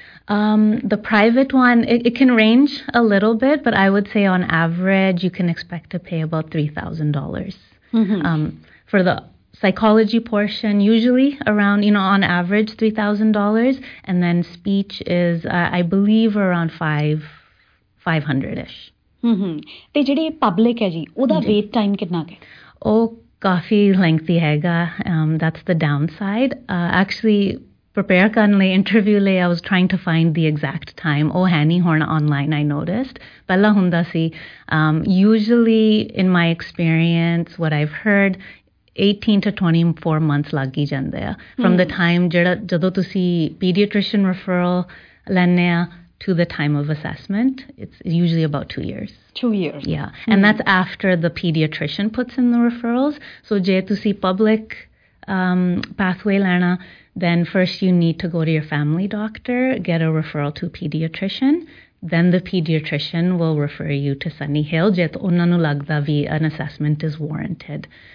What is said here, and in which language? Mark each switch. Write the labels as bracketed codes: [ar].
[en] The private one, it can range a little bit, but I would say on average you can expect to pay about $3,000 for the psychology portion, usually around, you know, on average $3,000, and then speech is I believe around $500-ish. [pa] ਤੇ ਜਿਹੜੇ public ਹੈ ਜੀ ਉਹਦਾ wait time ਕਿੰਨਾ ਕੁ ਉਹ ਕਾਫੀ lengthy ਹੈਗਾ [en] that's the downside actually [pa] prepare ਕਰਨ ਲਈ ਇੰਟਰਵਿਊ ਲਈ [en] I was trying to find the exact time [pa] ਉਹ ਹੈ ਨਹੀਂ ਹੁਣ ਆਨਲਾਈਨ [en] I noticed [pa] ਪਹਿਲਾਂ ਹੁੰਦਾ ਸੀ [en] usually in my experience what I've heard 18 to 24 [pa] months ਲੱਗ ਹੀ ਜਾਂਦੇ ਆ [en] from the time [pa] ਜਿਹੜਾ ਜਦੋਂ ਤੁਸੀਂ ਪੀਡੀਆਟ੍ਰੀਸ਼ੀਅਨ ਰੈਫਰਲ ਲੈਂਦੇ ਆ [en] to the time of assessment, it's usually about 2 years. 2 years. Yeah, and that's after the pediatrician puts in the referrals. So [pa] je tu si public pathway lena, [en] then first you need to go to your family doctor, get a referral to a pediatrician, then the pediatrician will refer you to Sunny Hill, [pa] je tu unnanu lagda vi [en] an assessment is warranted.